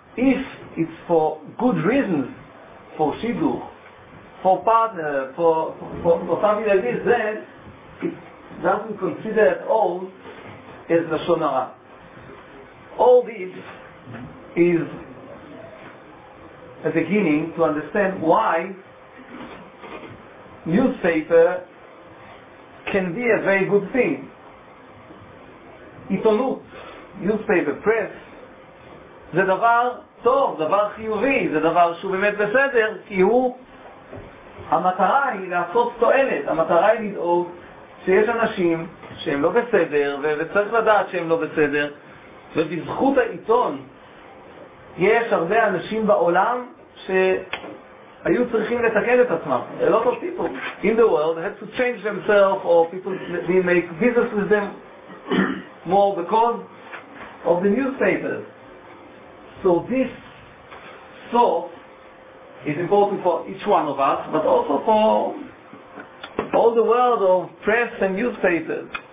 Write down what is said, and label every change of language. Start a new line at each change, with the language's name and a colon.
English: If it's for good reasons, for shidduch, for partner, for something like this, then it doesn't consider at all as lashon hara. All this is a beginning to understand why newspaper can be a very good thing.
Hebrew: Itonut,
English: newspaper, press,
Hebrew: זה דבר טוב, דבר חיובי, זה דבר שהוא באמת בסדר, כי הוא, המטרה היא לעשות תועלת, המטרה היא לדאוג שיש אנשים שהם לא בסדר, וצריך לדעת שהם לא בסדר, ובזכות העיתון יש הרבה אנשים בעולם שהיו צריכים לתקן את עצמם.
English: A lot of people in the world had to change themselves, or people didn't make business with them more because of the newspapers. So this thought is important for each one of us, but also for all the world of press and newspapers.